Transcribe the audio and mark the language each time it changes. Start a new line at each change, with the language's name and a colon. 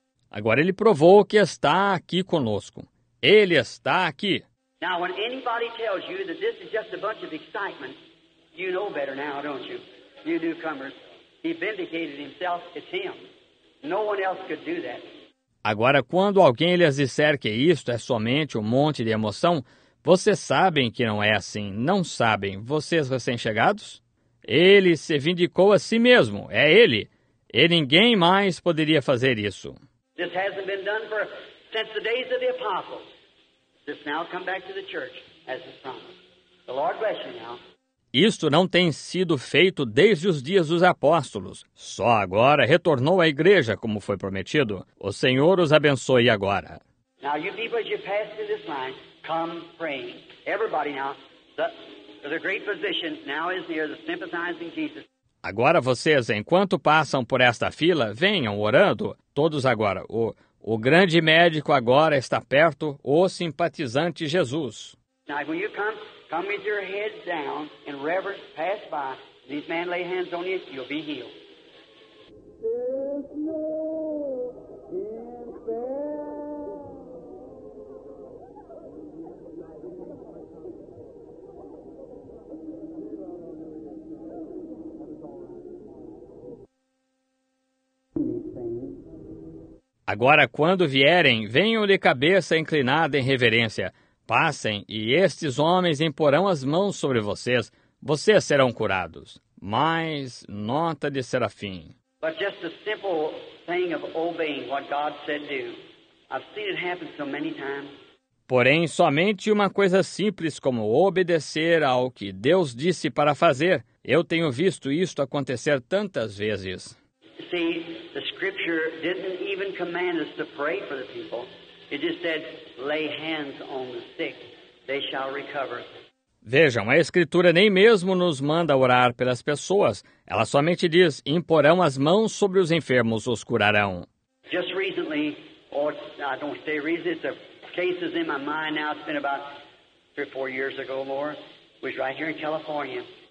Portuguese: Agora ele provou que está aqui conosco. Ele está aqui.
English: Now, when anybody tells you that this is just a bunch of excitement, you know better now, don't you? You newcomers, he vindicated himself, it's him. No one else could do that.
Portuguese: Agora, quando alguém lhes disser que isto é somente um monte de emoção, vocês sabem que não é assim, não sabem, vocês recém-chegados? Ele se vindicou a si mesmo, é ele. E ninguém mais poderia fazer isso.
English: This hasn't been done for, since the days of the apostles. This now come back to the church, as is promised. The Lord bless you now.
Portuguese: Isto não tem sido feito desde os dias dos apóstolos. Só agora retornou à igreja, como foi prometido. O Senhor os abençoe agora.
English: Now, you people, as you pass through this line, come praying. Everybody now, the great physician now is near, the sympathizing Jesus.
Portuguese: Agora vocês, enquanto passam por esta fila, venham orando. Todos agora, o grande médico agora está perto, o simpatizante Jesus.
English: Now, when you come, come with your head down in reverence, pass by. This man lay hands on you, you'll be healed.
Portuguese: Agora, quando vierem, venham de cabeça inclinada em reverência. Passem, e estes homens imporão as mãos sobre vocês. Vocês serão curados. Mas, nota de Serafim.
English: But just a simple thing of obeying what God said do. I've seen it happen so many times.
Portuguese: Porém, somente uma coisa simples como obedecer ao que Deus disse para fazer. Eu tenho visto isto acontecer tantas vezes.
English: See, the scripture didn't even command us to pray for the people. It just said, lay hands on the sick, they shall recover.
Portuguese: Vejam, a escritura nem mesmo nos manda orar pelas pessoas. Ela somente diz, imporão as mãos sobre os enfermos, os curarão.
English: Just recently, or I don't say recently, it's a case in my mind now, it's been about 3 or 4 years ago more, was right here in California.